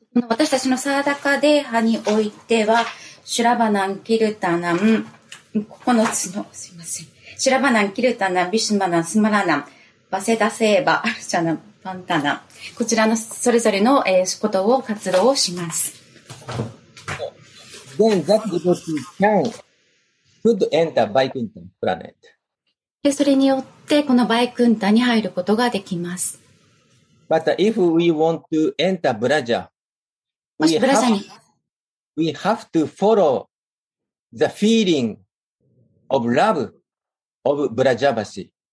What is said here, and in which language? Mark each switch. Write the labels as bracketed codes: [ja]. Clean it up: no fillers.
[ja] 私たちのサーダカデーハにおいては、シュラバナン、キルタナン、九つの、すいません。シュラバナン、キルタナン、ビシュマナン、スマラナン、バセダセーバ、アルチャナン、パンタナン。こちらのそれぞれの、ことを活動をします。 [en] Then that devotee can, could enter Vaikuntha planet. [ja] で、それによって、このバイクンタに入ることができます。 [en] But if we want to enter Braja, [ja] もしブラジャに、 [en] we have to follow the feeling of love of ブラジャバシ。